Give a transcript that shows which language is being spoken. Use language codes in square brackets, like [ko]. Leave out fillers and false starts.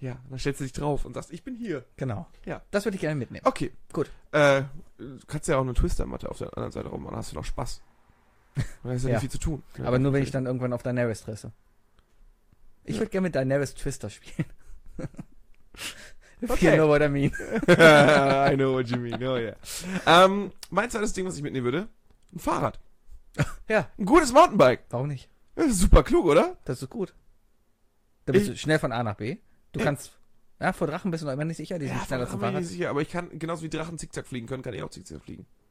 [de] Ja, dann stellst du dich drauf und sagst, ich bin hier. Genau. Ja. Das würde ich gerne mitnehmen. Okay. Gut. Du kannst ja auch eine Twister-Matte auf der anderen Seite rum, dann hast du noch Spaß. Da ist ja nicht viel zu tun. Aber nur, natürlich, wenn ich dann irgendwann auf Daenerys treffe. Ich würde gerne mit Daenerys Twister spielen. [en] Okay. You know what I mean. I know what you mean, oh yeah. [de] Mein zweites Ding, was ich mitnehmen würde, ein Fahrrad. Ja. Ein gutes Mountainbike. Warum nicht? Das ist super klug, oder? Das ist gut. Da bist du schnell von A nach B. Du kannst, ja, vor Drachen bist du noch immer nicht sicher, die sind schneller zum Fahrrad. Ich bin mir nicht sicher, aber ich kann, genauso wie Drachen zickzack fliegen können, kann ich auch zickzack fliegen.